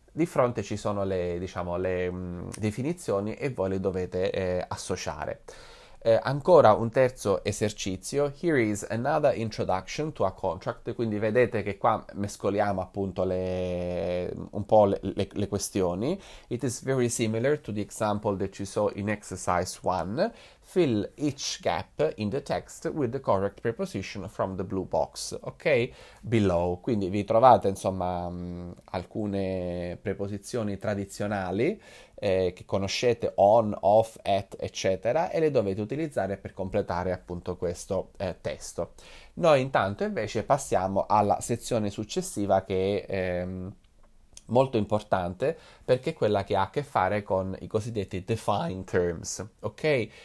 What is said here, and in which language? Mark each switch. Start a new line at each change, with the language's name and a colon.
Italian: Di fronte ci sono le, diciamo, le definizioni e voi le dovete associare. Ancora un terzo esercizio.
English: Here is another introduction to a contract.
Italian: Quindi vedete che qua mescoliamo appunto un po' le questioni.
English: It is very similar to the example that you saw in exercise 1. Fill each gap in the text with the correct preposition from the blue box, ok? Below.
Italian: Quindi vi trovate, insomma, alcune preposizioni tradizionali che conoscete, on, off, at, eccetera, e le dovete utilizzare per completare appunto questo testo. Noi intanto invece passiamo alla sezione successiva che è molto importante perché è quella che ha a che fare con i cosiddetti define terms, ok?